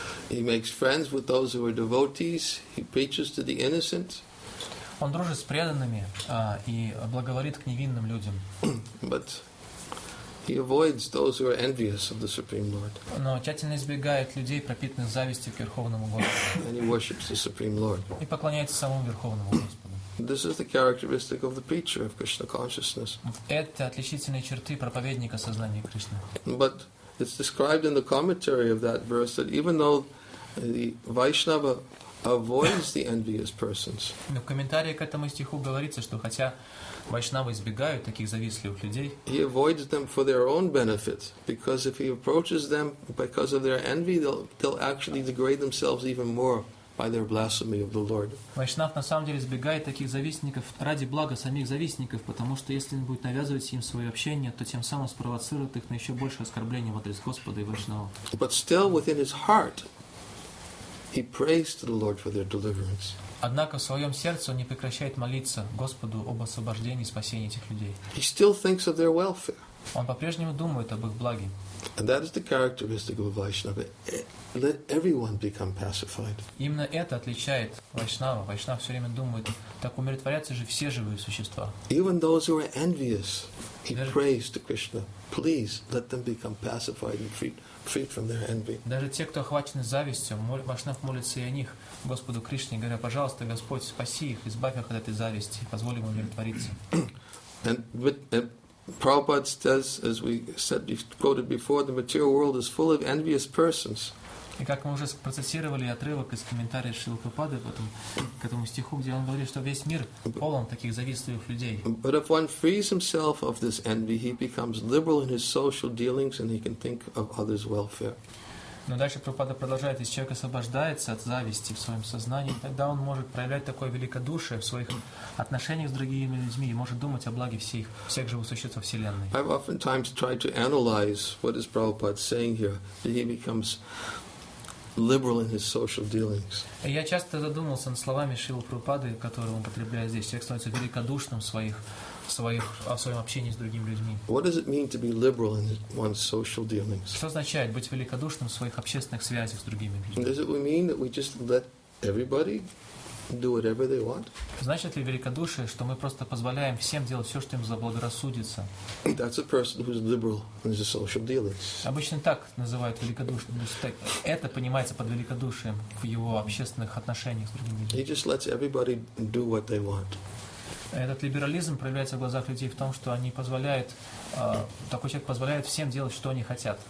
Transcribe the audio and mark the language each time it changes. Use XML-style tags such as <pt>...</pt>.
<en>He makes friends with those who are devotees. He preaches to the innocent.</en> <ru>Он дружит с преданными и благоволит к невинным людям.</ru> <en>But he avoids those who are envious of the Supreme Lord.</en> <ru>Но тщательно избегает людей, пропитанных завистью к Верховному Господу.</ru> <en>And he worships the Supreme Lord.</en> <ru>И поклоняется самому Верховному Господу.</ru> <en>This is the characteristic of the preacher of Krishna consciousness.</en> <ru>Это отличительные черты проповедника сознания Кришны.</ru> <en>But it's described in the commentary of that verse that even though the Vaishnava avoids the envious persons.</en> <ru>Но в комментарии к этому стиху говорится, что хотя Вайшнавы избегают таких завистливых людей,</ru> <en>he avoids them for their own benefit, because if he approaches them because of their envy, they'll actually degrade themselves even more by their blasphemy of the Lord.</en> <ru>Вайшнав на самом деле избегает таких завистников ради блага самих завистников, потому что если он будет навязывать им свое общение, то тем самым спровоцирует их на еще большее оскорбление в адрес Господа и Вайшнава.</ru> <en>But still within his heart, he prays to the Lord for their deliverance.</en> <ru>Однако в своем сердце он не прекращает молиться Господу об освобождении и спасении этих людей.</ru> <en>He still thinks of their welfare.</en> <ru>Он по-прежнему думает об их благе.</ru> <en>And that is the characteristic of a Vaishnava. Let everyone become pacified.</en> <ru>Именно это отличает Вайшнава. Вайшнав все время думает, так умиротворятся же все живые существа.</ru> <en>Even those who are envious, he prays to Krishna, please let them become pacified and freed from their envy.</en> <ru>Даже те, кто охвачены завистью, Вайшнав молится и о них Господу Кришне, говоря, пожалуйста, Господь, спаси их, избавь их от этой зависти, позволь им умиротвориться.</ru> <en>Prabhupada says, as we said, quoted before, the material world is full of envious persons.</en> <ru>И как мы уже процитировали отрывок из комментария Шрилы Прабхупады к этому стиху, где он говорит, что весь мир полон таких завистливых людей.</ru> <en>But if one frees himself of this envy, he becomes liberal in his social dealings and he can think of others' welfare.</en> <ru>Но дальше Прабхупада продолжает, если человек освобождается от зависти в своем сознании, тогда он может проявлять такое великодушие в своих отношениях с другими людьми и может думать о благе всех живых существ во Вселенной.</ru> <en>I've oftentimes tried to analyze what is Prabhupada saying here, that he becomes liberal in his social dealings.</en> <ru>Я часто задумался над словами Шрилы Прабхупады, которые он употребляет здесь. Человек становится великодушным о своем общении с другими людьми.</ru> <en>What does it mean to be liberal in one's social dealings?</en> <ru>Что означает быть великодушным в своих общественных связях с другими людьми?</ru> <en>Does it mean that we just let everybody do whatever they want?</en> <ru>Значит ли великодушие, что мы просто позволяем всем делать все, что им заблагорассудится?</ru> <en>That's a person who's liberal in his social dealings.</en> <ru>Обычно так называют великодушным. Это понимается под великодушием в его общественных отношениях с другими людьми.</ru> <en>He just lets everybody do what they want.</en> <ru>Этот либерализм проявляется в глазах людей в том, что они позволяют, такой человек позволяет всем делать, что они хотят.</ru>